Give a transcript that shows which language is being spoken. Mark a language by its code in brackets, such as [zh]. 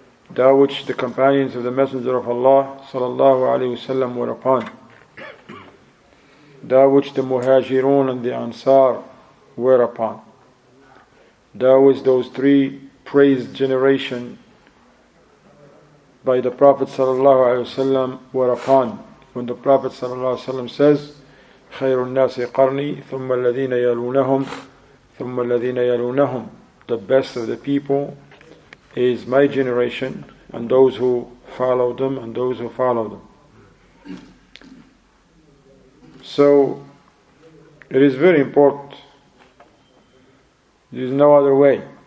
[en] That which the companions of the Messenger of Allah sallallahu alayhi wa sallam were upon. That which the Muhajirun and the Ansar were upon. That which those three praised generation by the Prophet sallallahu alaihi wasallam were upon. When the Prophet sallallahu alaihi wasallam says, [ar] خير الناس قرني ثم الذين يلونهم ثم الذين يلونهم. [en] The best of the people is my generation and those who follow them and those who follow them. So, it is very important. There is no other way.